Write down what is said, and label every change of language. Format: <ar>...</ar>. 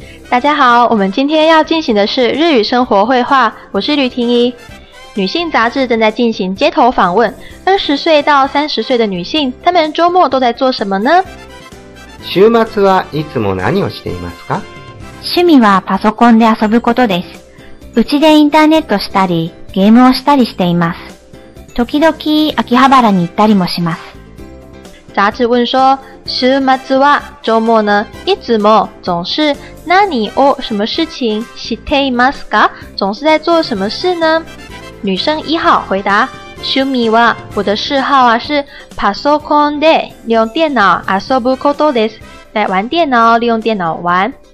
<zh>大家好，我们今天要进行的是日语生活绘画，我是吕婷宜。女性杂志正在进行街头访问，20岁到30岁的女性，她们周末都在做什么呢？</zh> <ja>週末はいつも何をしていますか？趣味はパソコンで遊ぶことです。うちでインターネットしたり、ゲームをしたりしています。時々秋葉原に行ったりもします。</ja> <zh>杂志问说，</zh> <ja>週末は</ja> <zh>周末呢？</zh> <ja>いつも</ja> <zh>总是</zh> <ja>何を</ja> <zh>什么事情</zh> <ja>していますか？</ja> <zh>总是在做什么事呢？女生一号回答，</zh> <ja>趣味は</ja> <zh>我的嗜好啊是</zh> <ja>パソコンで</ja> <zh>利用电脑</zh> <ja>遊ぶことです，</ja> <zh>在玩电脑，利用电脑玩。</zh>